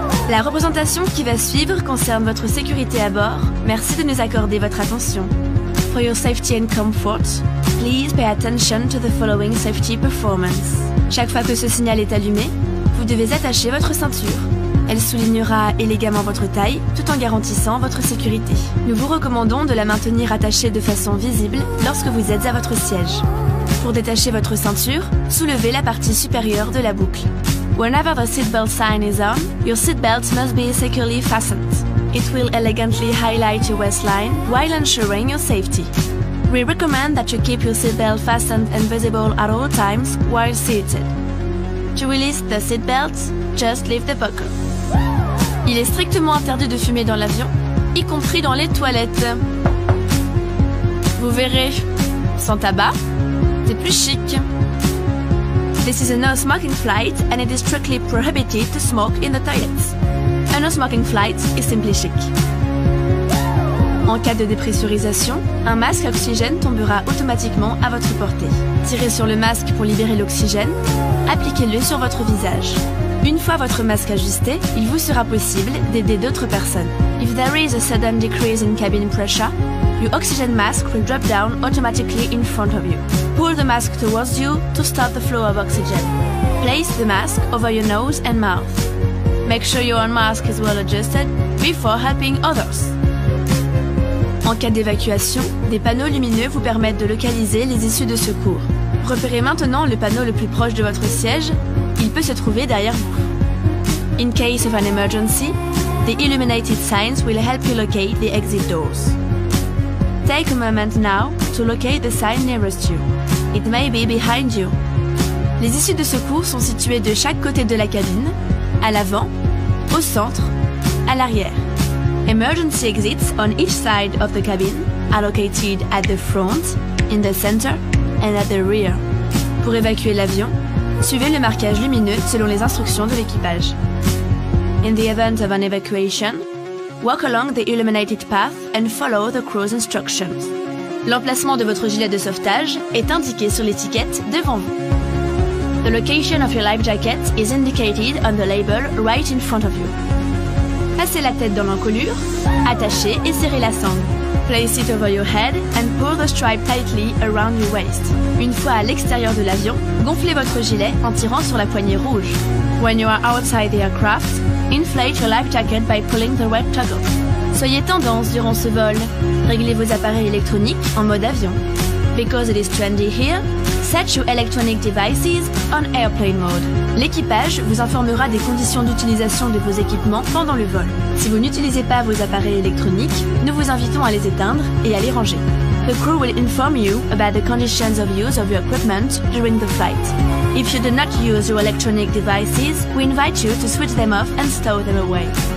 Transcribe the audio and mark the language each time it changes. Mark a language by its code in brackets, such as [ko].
[fr] La représentation qui va suivre concerne votre sécurité à bord. Merci de nous accorder votre attention. [en] For your safety and comfort, please pay attention to the following safety performance. [fr] Chaque fois que ce signal est allumé, vous devez attacher votre ceinture. Elle soulignera élégamment votre taille tout en garantissant votre sécurité. Nous vous recommandons de la maintenir attachée de façon visible lorsque vous êtes à votre siège. Pour détacher votre ceinture, soulevez la partie supérieure de la boucle. [en] Whenever the seatbelt sign is on, your seatbelt must be securely fastened. It will elegantly highlight your waistline while ensuring your safety. We recommend that you keep your seatbelt fastened and visible at all times while seated. To release the seatbelt, just lift the buckle. [fr] Il est strictement interdit de fumer dans l'avion, y compris dans les toilettes. Vous verrez, sans tabac, c'est plus chic. [en] This is a no-smoking flight and it is strictly prohibited to smoke in the toilets. A no-smoking flight is simply chic. [fr] En cas de dépressurisation, un masque à oxygène tombera automatiquement à votre portée. Tirez sur le masque pour libérer l'oxygène, appliquez-le sur votre visage. Une fois votre masque ajusté, il vous sera possible d'aider d'autres personnes. [en] If there is a sudden decrease in cabin pressure, your oxygen mask will drop down automatically in front of you. Pull the mask towards you to stop the flow of oxygen. Place the mask over your nose and mouth. Make sure your own mask is well adjusted before helping others. [fr] En cas d'évacuation, des panneaux lumineux vous permettent de localiser les issues de secours. Repérez maintenant le panneau le plus proche de votre siège. Il peut se trouver derrière vous. [en] In case of an emergency, the illuminated signs will help you locate the exit doors. Take a moment now to locate the sign nearest you. It may be behind you. [fr] Les issues de secours sont situées de chaque côté de la cabine, à l'avant, au centre, à l'arrière. [en] Emergency exits on each side of the cabin are located at the front, in the center, and at the rear. [fr] Pour évacuer l'avion, suivez le marquage lumineux selon les instructions de l'équipage. [en] In the event of an evacuation, walk along the illuminated path and follow the crew's instructions. [fr] L'emplacement de votre gilet de sauvetage est indiqué sur l'étiquette devant vous. [en] The location of your life jacket is indicated on the label right in front of you. [fr] Passez la tête dans l'encolure, attachez et serrez la sangle. [en] Place it over your head and pull the stripe tightly around your waist. [fr] Une fois à l'extérieur de l'avion, gonflez votre gilet en tirant sur la poignée rouge. [en] When you are outside the aircraft, inflate your life jacket by pulling the red toggle. [fr] Soyez tendance durant ce vol. Réglez vos appareils électroniques en mode avion. [en] Because it is trendy here, set your electronic devices on airplane mode. [fr] L'équipage vous informera des conditions d'utilisation de vos équipements pendant le vol. Si vous n'utilisez pas vos appareils électroniques, nous vous invitons à les éteindre et à les ranger. [en] The crew will inform you about the conditions of use of your equipment during the flight. If you do not use your electronic devices, we invite you to switch them off and stow them away.